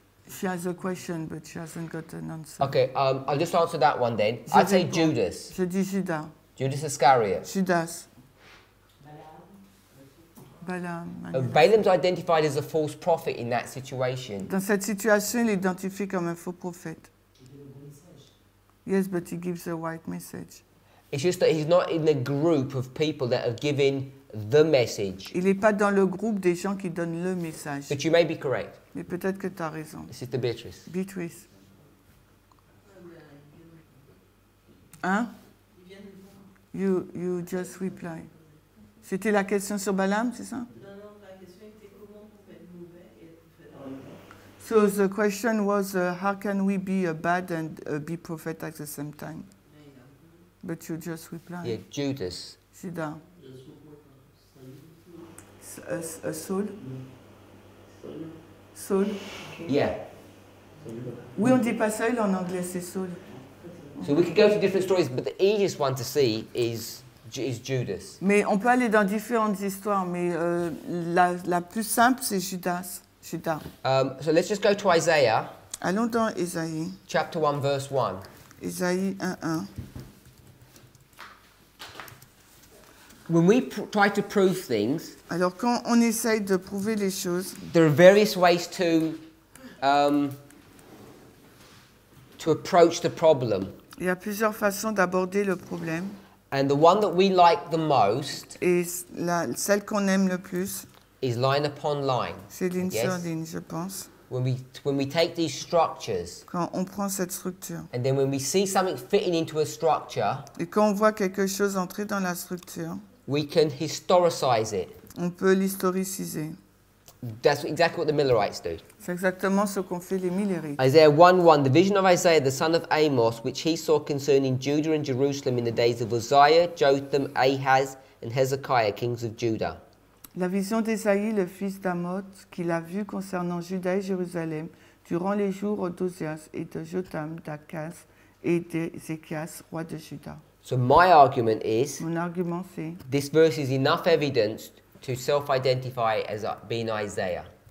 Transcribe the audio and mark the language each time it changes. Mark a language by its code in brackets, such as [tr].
[en] She has a question, but she hasn't got an answer. Okay, I'll just answer that one then. I'd say Judas. [fr] Je dis Judas. [en] Judas Iscariot. Judas. Balaam. Balaam's identified as a false prophet in that situation. [fr] Dans cette situation, il est identifié comme un faux prophète. [en] Yes, but he gives a right message. It's just that he's not in the group of people that are giving the message. [fr] Il n'est pas dans le groupe des gens qui donnent le message. [en] But you may be correct. [fr] Mais peut-être que tu as raison. [en] Sister Beatrice. Beatrice. Hein? You just reply. [fr] C'était la question sur Balaam, c'est ça? Non, la question était comment on peut être mauvais et être prophète. [en] So the question was, how can we be a bad and be prophet at the same time? But you just reply. Yeah, Judas. Judas. Saul. Saul. Yeah. [fr] Oui, on dit pas Saul en anglais, c'est Saul. [en] So we could go to different stories, but the easiest one to see is Judas. [fr] Mais on peut aller dans différentes histoires, mais la plus simple, c'est Judas. [en] Judas. So let's just go to Isaiah. [fr] Allons dans Isaïe. [en] Chapter 1, verse 1. [fr] Isaïe 1:1. [en] When we try to prove things, [fr] alors quand on essaye de prouver les choses, [en] there are various ways to approach the problem. [fr] Il y a plusieurs façons d'aborder le problème. [en] And the one that we like the most [fr] is celle qu'on aime le plus [en] is line upon line. [fr] C'est ligne sur ligne, je pense. [en] When we take these structures, [fr] quand on prend cette structure, [en] and then when we see something fitting into a structure, [fr] et quand on voit quelque chose entrer dans la structure, [en] we can historicize it. [fr] On peut l'historiciser. [en] That's exactly what the Millerites do. [fr] C'est exactement ce qu'ont fait les Millerites. [en] Isaiah 1:1, the vision of Isaiah, the son of Amos, which he saw concerning Judah and Jerusalem in the days of Uzziah, Jotham, Ahaz, and Hezekiah, kings of Judah. [fr] La vision d'Esaïe, le fils d'Amoth, qu'il a vu concernant Juda et Jérusalem, durant les jours d'Ozias et de Jotham, d'Akaz et d'Ézéchias, roi de Juda. [en] So my argument is, [fr] mon argument c'est, [en] this verse is enough evidence to self-identify as being Isaiah.